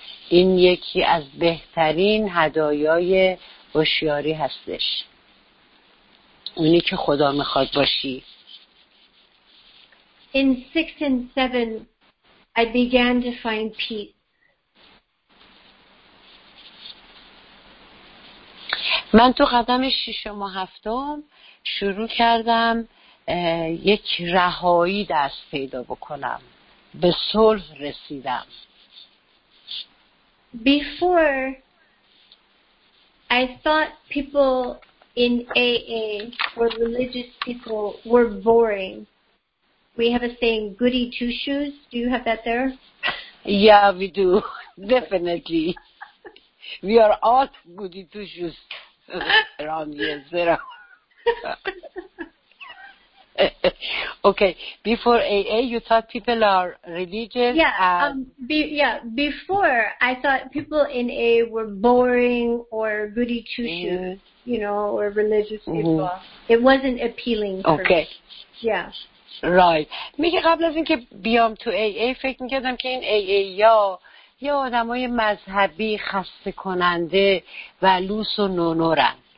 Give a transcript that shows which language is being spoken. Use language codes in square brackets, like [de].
[fa] این یکی از بهترین هدایای هوشیاری هستش. اونی که خدا میخواد باشی. [en] In 6 and 7 I began to find peace. [fa] من تو قدم 6 و 7 شروع کردم یک رهایی دست پیدا بکنم، به صلح رسیدم. [en] Before I thought people in AA were religious people were boring. We have a saying, goody two-shoes. Do you have that there? Yeah, we do. Definitely. We are all goody two-shoes around here, Sarah. Okay, before AA, you thought people are religious? Yeah, before, I thought people in AA were boring or goody two-shoes, you know, or religious people. Mm-hmm. It wasn't appealing for okay. me. Yeah. [fa] رایت میگه قبل از اینکه بیام تو ای ای فکر میکردم که این ای ای یا آدم های مذهبی خسته کننده و لوس و نونورن.